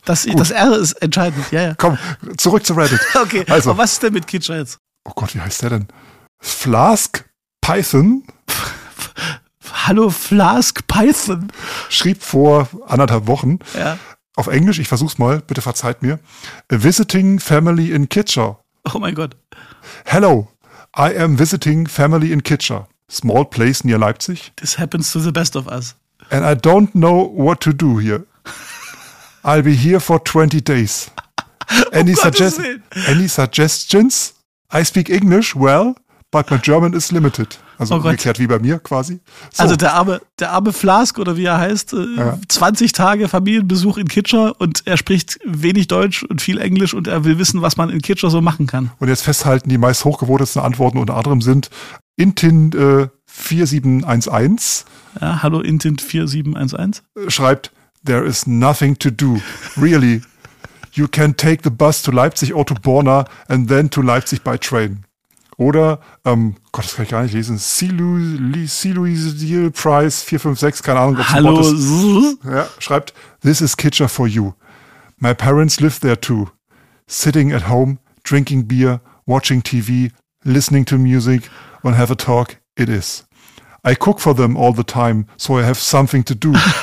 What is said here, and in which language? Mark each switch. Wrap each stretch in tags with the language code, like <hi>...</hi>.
<de>Das R ist entscheidend. Ja, ja. Komm, zurück zu Reddit. Okay, also. Aber was ist denn mit Kitscher jetzt? Oh Gott, wie heißt der denn? Flask Python. Hallo, Flask Python. Schrieb vor anderthalb Wochen. Ja. Auf Englisch, ich versuch's mal, bitte verzeiht mir.</de> <en>A visiting family in Kitscher.</en> <de>Oh mein Gott.</de> <en>Hello, I am visiting family in Kitscher. Small place near Leipzig. This happens to the best of us. And I don't know what to do here. I'll be here for 20 days. Any suggestions? I speak English well, but my German is limited.</en> <de>Also umgekehrt wie bei mir quasi. So. Also der arme Flask oder wie er heißt, 20 Tage Familienbesuch in Kitscher und er spricht wenig Deutsch und viel Englisch und er will wissen, was man in Kitscher so machen kann. Und jetzt festhalten, die meist hochgewotesten Antworten unter anderem sind Intin 4711. Ja, hallo Intin 4711. Schreibt,</de> <en>there is nothing to do, really. You can take the bus to Leipzig or to Borna and then to Leipzig by train.</en> <de>Oder, Gott, das kann ich gar nicht lesen, C-Louis Deal Price 456, keine Ahnung, ob es ein Wort</de> <en>ist.</en> <de>Ja, schreibt,</de> <en>this is Kitscher for you. My parents live there too. Sitting at home, drinking beer, watching TV, listening to music, and have a talk, it is. I cook for them all the time, so I have something to do.</en>